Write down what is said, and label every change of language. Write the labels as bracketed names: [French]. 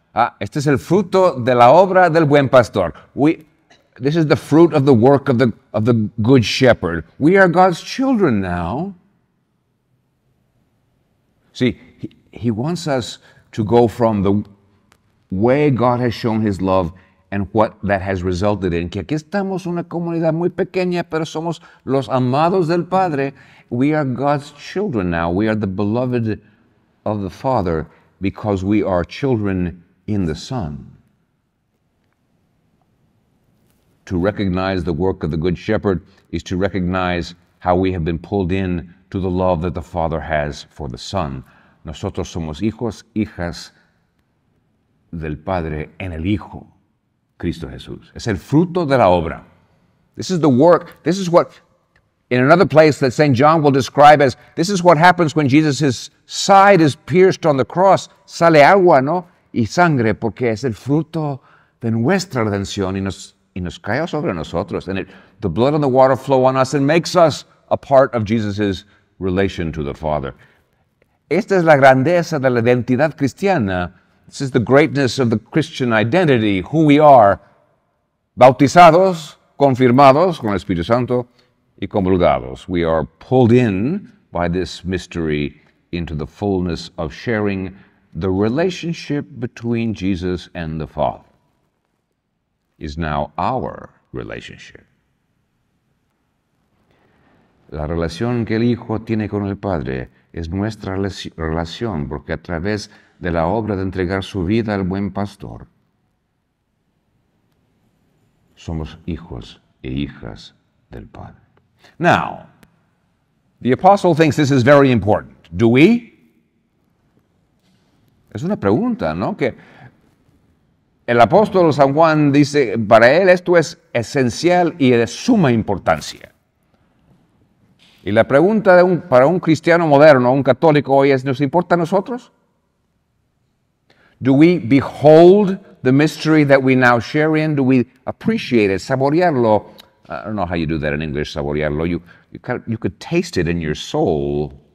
[Spanish] Ah, este es el fruto de la obra del buen pastor. [English] This is the fruit of the work of the good shepherd. We are God's children now. See, he wants us to go from the way God has shown his love and what that has resulted in. [Spanish] Que aquí estamos una comunidad muy pequeña, pero somos los amados del Padre. [English] We are God's children now. We are the beloved of the Father because we are children in the Son. To recognize the work of the Good Shepherd is to recognize how we have been pulled in to the love that the Father has for the Son. [Spanish] Nosotros somos hijos, hijas del Padre en el Hijo, Cristo Jesús. Es el fruto de la obra. [English] This is the work. This is what, in another place that St. John will describe as, this is what happens when Jesus' side is pierced on the cross. [Spanish] Sale agua, ¿no? Y sangre, porque es el fruto de nuestra redención y nos cae sobre nosotros. [English] And the blood and the water flow on us and makes us a part of Jesus' relation to the Father. [Spanish] Esta es la grandeza de la identidad cristiana. [English] This is the greatness of the Christian identity, who we are, [Spanish] bautizados, confirmados con el Espíritu Santo y comulgados. [English] We are pulled in by this mystery into the fullness of sharing the relationship between Jesus and the Father is now our relationship. [Spanish] La relación que el Hijo tiene con el Padre es nuestra relación, porque a través de la obra de entregar su vida al buen pastor, somos hijos e hijas del Padre. [English] Now, the apostle thinks this is very important. Do we? [Spanish] Es una pregunta, ¿no? Que el apóstol San Juan dice, para él esto es esencial y de suma importancia. Y la pregunta para un cristiano moderno, un católico hoy es, ¿nos importa a nosotros? [English] Do we behold the mystery that we now share in? Do we appreciate it, [Spanish] saborearlo? [English] I don't know how you do that in English, saborearlo. You could taste it in your soul.